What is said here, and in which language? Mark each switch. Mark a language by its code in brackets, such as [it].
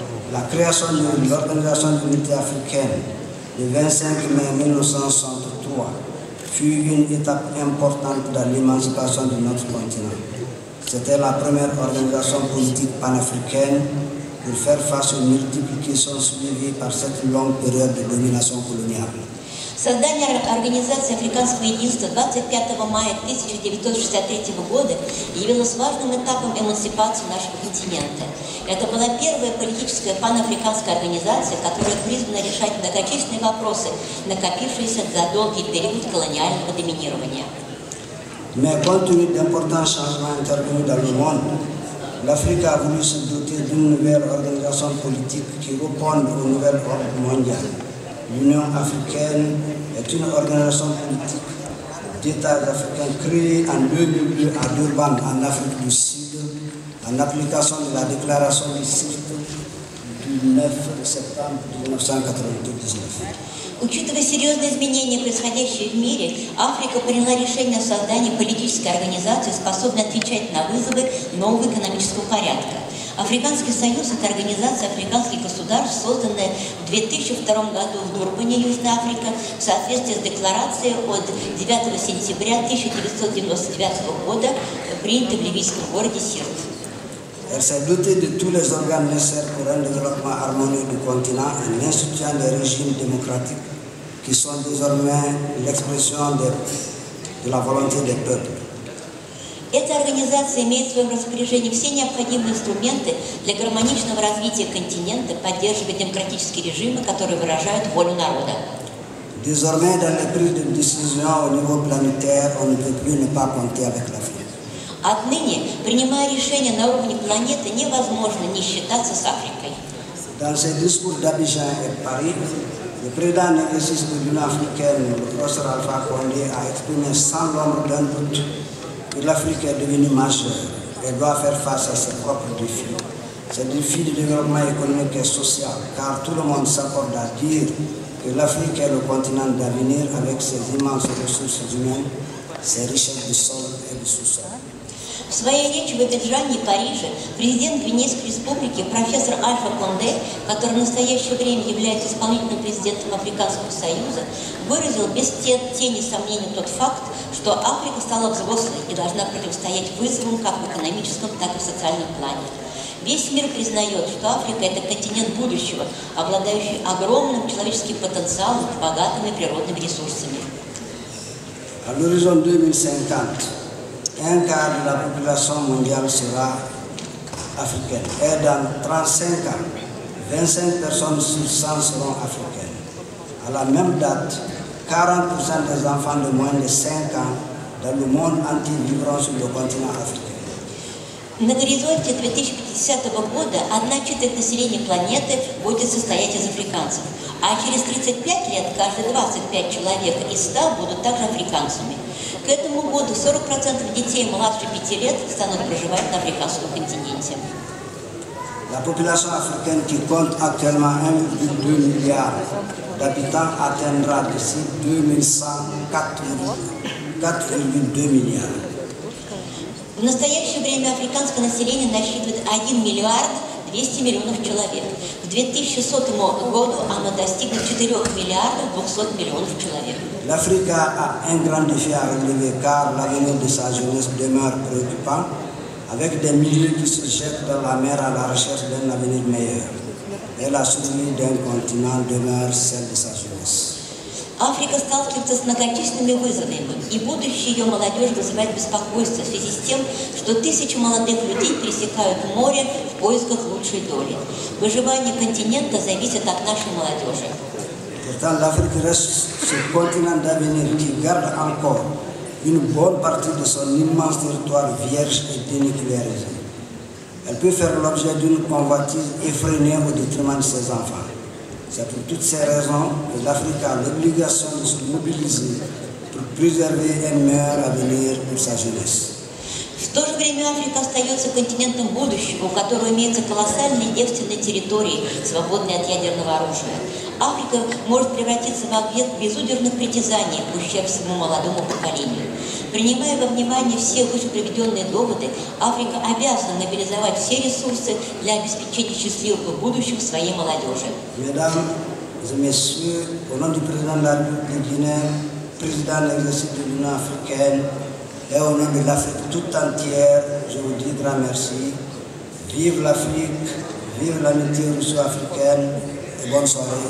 [fr] La création de l'Organisation de l'Unité africaine le 25 mai 1963 fut une étape importante dans l'émancipation de notre continent. C'était la première organisation politique panafricaine pour faire face aux multiplications suivies par cette longue période de domination coloniale. [ru] Создание Организации Африканского Единства 25 мая 1963 года явилось важным этапом эмансипации нашего континента. Это была первая политическая панафриканская организация, которая призвана решать многочисленные вопросы, накопившиеся за долгий период колониального доминирования. [fr] Mais compte tenu d'importants changements intervenus dans le monde, l'Afrique a voulu se doter d'une nouvelle organisation politique qui réponde au nouvel ordre mondial. L'Union africaine est une organisation politique d'États africains créée en 2002 à Durban, en Afrique du Sud, en application de la déclaration du 6 du 9 septembre 1999. [ru] Учитывая серьезные изменения, происходящие в мире, Африка приняла решение о создании политической организации, способной отвечать на вызовы нового экономического порядка. Африканский союз – это организация африканских государств, созданная в 2002 году в Дурбане, Южная Африка, в соответствии с декларацией от 9 сентября 1999 года, принятой в ливийском городе Сирт. [fr] Elle s'est dotée de tous les organes nécessaires pour un développement harmonieux du continent et l'insoutien des régimes démocratiques qui sont désormais l'expression de la volonté des peuples. [ru] Эта организация имеет в своем распоряжении все необходимые инструменты для гармоничного развития континента, поддерживая демократические режимы, которые выражают волю народа. [fr] Désormais, dans les prises de décision au niveau planétaire, on ne peut plus ne pas compter avec l'Afrique. [ru] Отныне, принимая решения на уровне планеты, невозможно не считаться с Африкой. [fr] Dans ce discours d'Abidjan et Paris, le président négociste de l'Union africaine, le professeur Alpha Condé, a exprimé sans l'ombre d'un doute que l'Afrique est devenue majeure et doit faire face à ses propres défis. Ces défis de développement économique et social, car tout le monde s'accorde à dire que l'Afrique est le continent d'avenir avec ses immenses ressources humaines, ses richesses de sol et de sous-sol. [ru] В своей речи в Абиджане и Париже президент Гвинейской республики профессор Альфа Конде, который в настоящее время является исполнительным президентом Африканского союза, выразил без тени сомнений тот факт, что Африка стала взрослой и должна противостоять вызовам как в экономическом, так и в социальном плане. Весь мир признает, что Африка – это континент будущего, обладающий огромным человеческим потенциалом и богатыми природными ресурсами. А на горизонте [fr] 2050 un quart de la population mondiale sera africaine. Et dans 35 ans, 25 personnes sur 100 seront africaines. À la même date, 40% des enfants de moins de 5 ans dans le monde entier vivront sur le continent africain. [ru] На горизонте 2050 года 1/4 населения планеты будет состоять из африканцев. А через 35 лет каждые 25 человек из 100 будут также африканцами. К этому году 40% детей младше 5 лет станут проживать на африканском континенте. [fr] La population africaine qui compte actuellement 1,2 milliard d'habitants atteindra d'ici 2100 4,2 milliards. [ru] В настоящее время африканское население насчитывает 1,2 миллиарда человек. К 2100 году оно достигнет 4,2 миллиарда человек. [fr] L'Afrique a un grand défi à relever car l'avenir de sa jeunesse demeure préoccupant, avec des milliers qui se jettent dans la mer à la recherche d'un avenir meilleur. Et la survie d'un continent demeure celle de sa jeunesse. [ru] Африка сталкивается с многочисленными вызовами, и будущее ее молодежи вызывает беспокойство в связи с тем, что тысячи молодых людей пересекают море в поисках лучшей доли. Выживание континента зависит от нашей молодежи. [fr] Pourtant, l'Afrique reste ce continent d'avenir qui garde encore une bonne partie de son immense territoire vierge et dénucléarisé. Elle peut faire l'objet d'une convoitise effrénée au détriment de ses enfants. C'est pour toutes ces raisons que l'Afrique a l'obligation de se mobiliser pour préserver un meilleur avenir pour sa jeunesse. [ru] В то же время Африка остается континентом будущего, у которого имеются колоссальные девственные территории, свободные от ядерного оружия. Африка может превратиться в объект безудержных притязаний, ущерб своему молодому поколению. Принимая во внимание все вышеприведенные доводы, Африка обязана мобилизовать все ресурсы для обеспечения счастливого будущего своей молодежи. [fr] Mesdames et messieurs, au nom du président de la République de Guinée, président de l'Exercice de l'Union africaine, et au nom de l'Afrique tout entière, je vous dis grand merci. Vive l'Afrique, vive l'amitié russo-africaine et bonne soirée.